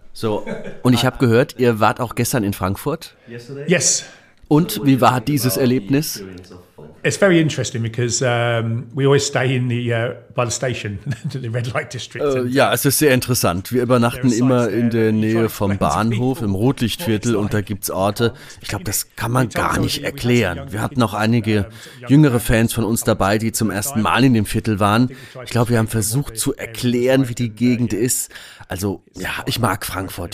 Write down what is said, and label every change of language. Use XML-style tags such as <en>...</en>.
<de>So, und ich habe gehört, ihr wart auch gestern in Frankfurt.</de> <en>Yes.</en> <de>Und wie war dieses Erlebnis?</de> <en>It's very interesting because we always stay in the by the station, the red light district.</en> <de>Ja, es ist sehr interessant. Wir übernachten immer in der Nähe vom Bahnhof im Rotlichtviertel und da gibt's Orte. Ich glaube, das kann man gar nicht erklären. Wir hatten auch einige jüngere Fans von uns dabei, die zum ersten Mal in dem Viertel waren. Ich glaube, wir haben versucht zu erklären, wie die Gegend ist. Also, ja, ich mag Frankfurt.</de>